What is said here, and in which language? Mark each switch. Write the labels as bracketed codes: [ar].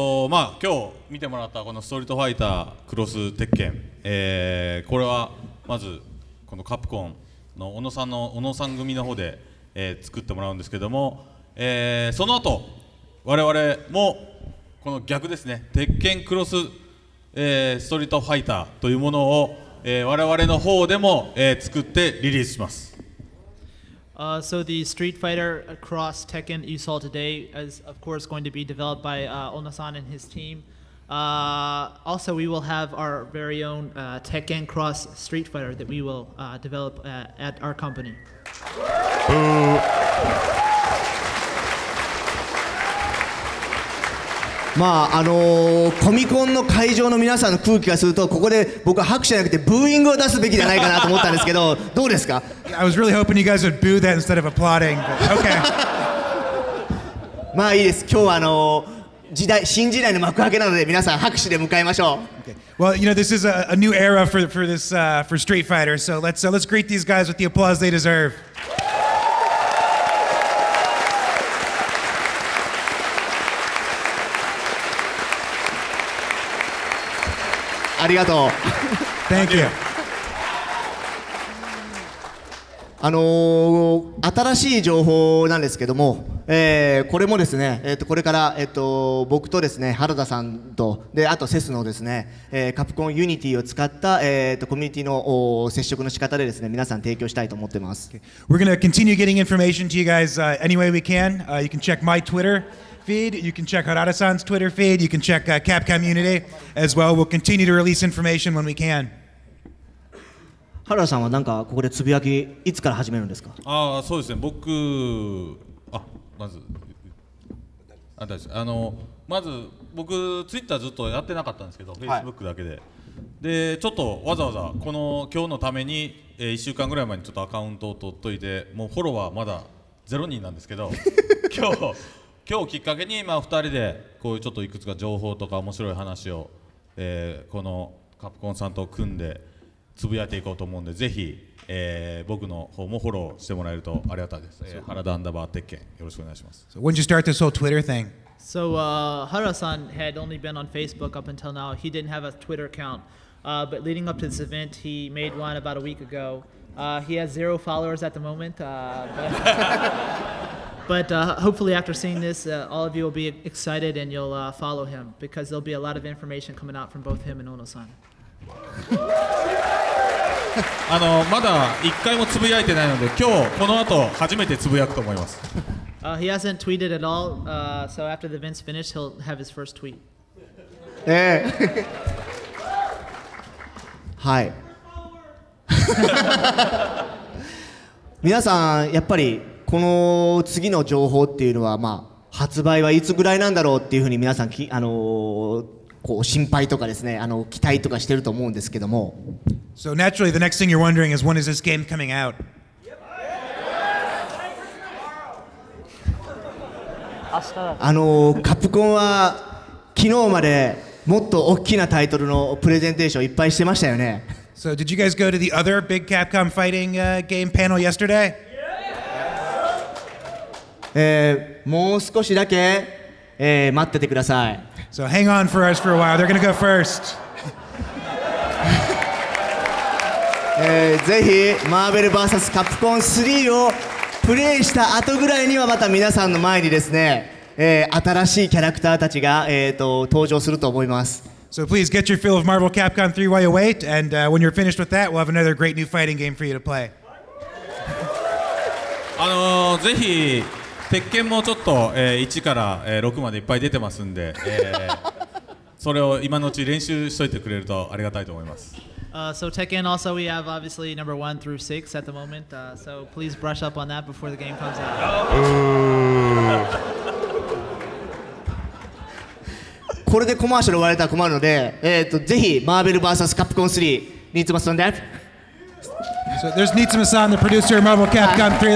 [ja] まあ今日見てもらったこのストリートファイタークロス鉄拳、これはまずこのカプコンの小野さんの小野さん組の方で、作ってもらうんですけども、その後我々もこの逆ですね、鉄拳クロス、ストリートファイターというものを、我々の方でも、作ってリリースします。 [en] So the Street Fighter Cross Tekken you saw today is of course going to be developed by Ono-san and his team. Also we will have our very own Tekken Cross Street Fighter that we will develop at our company. [ja] まあコミコンの会場の皆さんの空気がするとここで僕は拍手じゃなくてブーイングを出すべきじゃないかなと思ったんですけどどうですか [en] I was really hoping you guys would boo that instead of applauding but okay [ja] まあいいです今日は時代新時代の幕開けなので皆さん拍手で迎えましょう、 [en] okay. Well you know this is a new era for Street Fighter so let's greet these guys with the applause they deserve [ja] ありがとう。 [en] Thank you. [ja] 新しい情報なんですけども、これもですね、これから、僕とですね、原田さんとであとセスのですね、カプコンユニティを使った、コミュニティの接触の仕方でですね、皆さん提供したいと思ってます。 [en] Okay. We're gonna continue getting information to you guys any way we can. You can check my Twitter. Feed. You can check Harada-san's Twitter feed. You can check Capcom Unity as well. We'll continue to release information when we can. [ja] Harada-san, なんかここでつぶやきいつから始めるんですか？ああ、そうですね。僕、あ、まず、あ、大丈夫。まず僕 Twitter ずっとやってなかったんですけど、Facebook だけで。で、ちょっとわざわざこの今日のために、1週間ぐらい前にちょっとアカウントを取っといて、もうフォロワーまだ0人なんですけど、今日。今日きっかけに今2人でこういうちょっといくつか情報とか面白い話を、このカプコンさんと組んでつぶやいていこうと思うんで、ぜひ、僕の方もフォローしてもらえるとありがたいです。原田アンダーバー鉄拳よろしくお願いします。 [en] So when did you start this whole Twitter thing? So Hara-san had only been on Facebook up until now. He didn't have a Twitter account. But leading up to this event, he made one about a week ago. He has zero followers at the moment. But hopefully after seeing this, all of you will be excited and you'll follow him, because there'll be a lot of information coming out from both him and Ono-san. [ja] まだ一回もつぶやいてないので、今日この後初めてつぶやくと思います。 [en] He hasn't tweeted at all, so after the event's finished, he'll have his first tweet. [ja] はい。皆さん、やっぱりこの次の情報っていうのは、まあ、発売はいつぐらいなんだろうっていうふうに皆さん、こう心配とかですね、期待とかしてると思うんですけども。 [en] So naturally, the next thing you're wondering is, when is this game coming out? [ja] 明日だ。カプコンは昨日までもっと大きなタイトルのプレゼンテーションいっぱいしてましたよね。 [en] So did you guys go to the other big Capcom fighting game panel yesterday? [ja] もう少しだけ、待っててください。 [en] So hang on for us for a while. They're gonna go first. [ja] ぜひ Marvel vs. Capcom 3をプレイした後ぐらいにはまた皆さんの前にですね、新しいキャラクターたちが、登場すると思います。 [en] So please get your fill of Marvel Capcom 3 while you wait, and when you're finished with that, we'll have another great new fighting game for you to play. [ja] ぜひ鉄拳もちょっと、1から、6までいっぱい出てますんで、それを今のうち練習しといてくれるとありがたいと思います。 [en] So Tekken also, we have obviously number 1 through 6 at the moment, so please brush up on that before the game comes out. [ja] これでコマーション終われたら困るので、ぜひ Marvel vs. Capcom 3 Nitsuma-san で。 [en] So there's Nitsuma-san, the producer of Marvel Capcom 3.